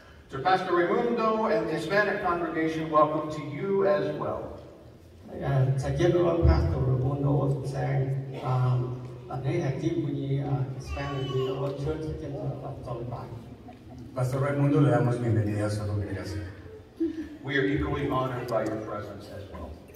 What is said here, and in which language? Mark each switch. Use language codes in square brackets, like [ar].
[en] To Pastor Raimundo and the Hispanic congregation, welcome to you as well. [es] Pastor Raimundo, le damos bienvenida a su congregación. [en] We are equally honored by your presence as well.